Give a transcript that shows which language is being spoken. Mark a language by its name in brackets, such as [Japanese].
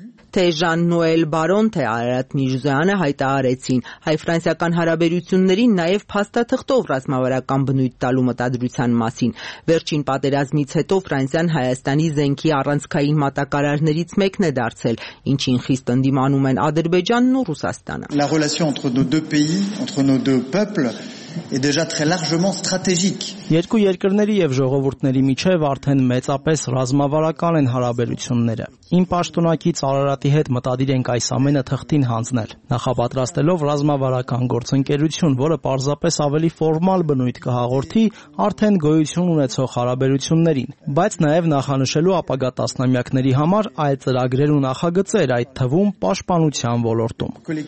[Armenian] Թե Ժան Նուել Բարոն, թե Արարատ Միրզոյանը հայտարարեցին, հայ-ֆրանսիական հարաբերություններին նաև փաստաթղթով ռազմավարական բնույթ տալու մտադրության մասին։ Վերջին պատերազմից հետո Ֆրանսիան Հայաստանի զենքի առանցքային մատակարարներից մեկն է դարձել, ինչին խիստ ընդդիմանում են Ադրբեջանն ու Ռուսաստանը։ [French] La relation entre nos deux pays, entre nos deux peuples est déjà très largement stratégique. [Armenian] Երկու երկրների եւ ժողովուրդների միջև արդեն մեծապես ռազմավարական են հարաբերությունները։ Իմ պաշտոնակից Արարատի հետ մտադիր ենք այս ամենը թղթին հանձնել, նախապատրաստելով ռազմավարական գործընկերություն, որը պարզապես ավելի ֆորմալ բնույթ կհաղորդի արդեն գոյություն ունեցող հարաբերություններին, բայց նաև նախանշելու ապագա տասնամյակների համար այլ ծրագրեր ու նախագծեր, այդ թվում պաշտպանության ոլորտում։